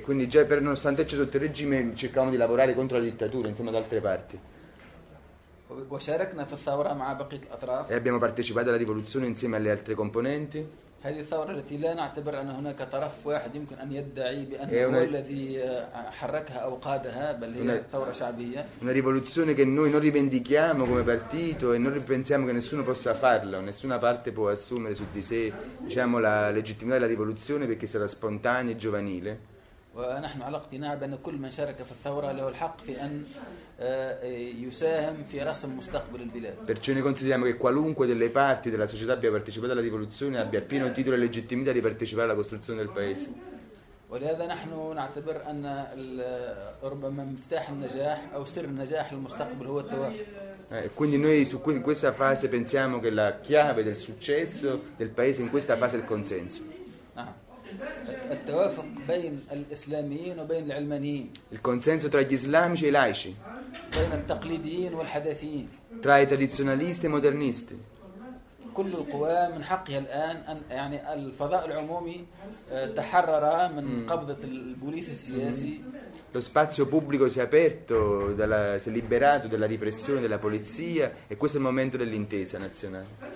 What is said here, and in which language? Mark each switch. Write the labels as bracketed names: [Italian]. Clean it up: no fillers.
[Italian] Quindi già per nonostante ci sotto il regime cercavamo di lavorare contro la dittatura insieme ad altre parti. [Arabic] وشاركنا في الثورة مع بقية الأطراف. [Italian] E abbiamo partecipato alla rivoluzione insieme alle altre componenti. [Arabic] هذه الثورة التي لا نعتبر أن هناك طرف واحد يمكن أن يدعي بأنه هو الذي حركها أو قادها بل هي ثورة شعبية. [Italian] Una rivoluzione che noi non rivendichiamo come partito e non pensiamo che nessuno possa farla, nessuna parte può assumere su di sé diciamo la legittimità della rivoluzione perché sarà spontanea e giovanile. [Arabic] ونحن على اقتناع بأن كل من شارك في الثورة له الحق في أن يساهم في رسم مستقبل البلاد. [Italian] Perciò noi consideriamo che qualunque delle parti della società abbia partecipato alla rivoluzione abbia pieno titolo e legittimità di partecipare alla costruzione del paese. [Arabic] ولهذا نحن نعتبر أن ربما مفتاح النجاح أو سر النجاح للمستقبل هو التوافق. [Italian] Quindi noi in questa fase pensiamo che la chiave del successo del paese in questa fase è il consenso. [Arabic] التوافق بين الإسلاميين وبين العلمانيين. [Italian] Il consenso tra gli islamici e i laici. [Arabic] بين التقليديين والحداثيين. [Italian] Tra i tradizionalisti e modernisti. [Arabic] كل القوى من حقها الآن أن يعني الفضاء العمومي تحرر من قبضة البوليس السياسي. [Italian] Lo spazio pubblico si è aperto, si è liberato dalla repressione della polizia e questo è il momento dell'intesa nazionale.